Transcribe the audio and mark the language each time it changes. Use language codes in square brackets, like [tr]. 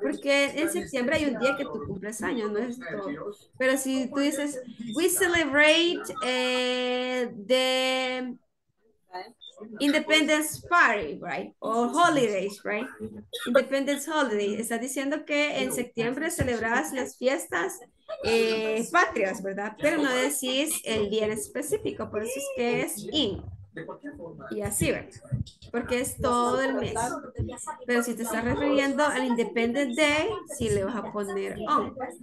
[es] Porque en septiembre hay un día que tú cumples años, ¿no es todo? Pero si tú dices, [en] we celebrate the Independence Party, right? O holidays, right? Independence Holiday. [es] Está diciendo que en septiembre celebrabas las fiestas patrias, ¿verdad? Pero no decís el día en específico, por eso es que es in. Y así, ¿verdad? Porque es todo el mes. Pero si te estás refiriendo al Independence Day, sí le vas a poner on.